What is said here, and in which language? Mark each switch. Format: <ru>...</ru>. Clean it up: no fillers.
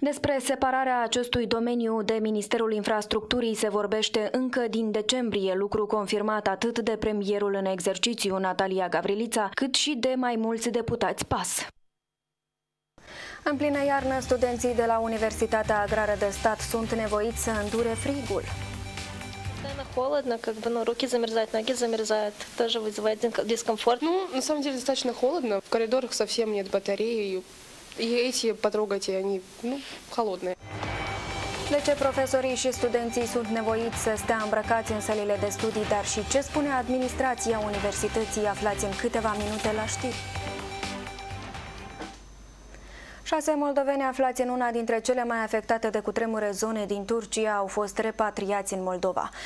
<ro>Despre separarea acestui domeniu de Ministerul Infrastructurii se vorbește încă din decembrie, lucru confirmat atât de premierul în exercițiu, Natalia Gavrilița, cât și de mai mulți deputați PAS. În plină iarnă, studenții de la Universitatea Agrară de Stat sunt nevoiți să îndure frigul.</ro> <ru>Холодно, как бы, ну, руки замерзают, ноги замерзают, тоже вызывает дискомфорт. Ну, на самом деле, достаточно холодно. В коридорах совсем нет батареи, и эти потрогайте, они, ну, холодные.</ru> <ro>De ce profesorii și studenții sunt nevoiți să stea îmbrăcați în sălile de studii, dar și ce spune administrația universității, aflați în câteva minute la știri. 6 moldoveni aflați în una dintre cele mai afectate de cutremure zone din Turcia au fost repatriați în Moldova.</ro>